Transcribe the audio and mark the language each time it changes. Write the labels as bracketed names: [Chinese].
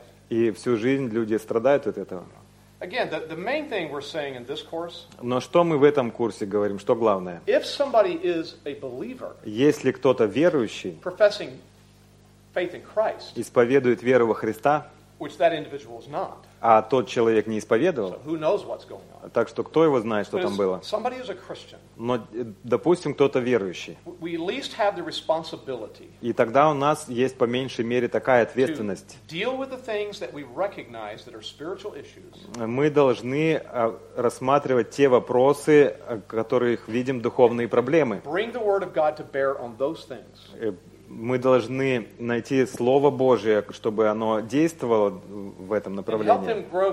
[Russian] И всю жизнь люди страдают от этого. [English] Again, the main thing we're saying in this course. [Russian] Но что мы в этом курсе говорим? Что главное? [English] If somebody is a believer. [Russian] Если кто-то верующий. [English] Professing faith in Christ. [Russian] Исповедует веру во Христа. [English] Which that individual is not. [Russian] А тот человек не исповедовал. [English] So who knows what's going on? [Russian] Так что кто его знает, что [English] but [Russian] там было? [English] Somebody is a Christian. [Russian] Но допустим, кто-то верующий. [English] We at least have the responsibility. [Russian] И тогда у нас есть по меньшей мере такая ответственность. [English] To deal with the things that we recognize that are spiritual issues. [Russian] Мы должны рассматривать те вопросы, в которых видим духовные проблемы. [English] Bring the word of God to bear on those things. [Russian] Мы должны найти Слово Божие, чтобы оно действовало в этом направлении.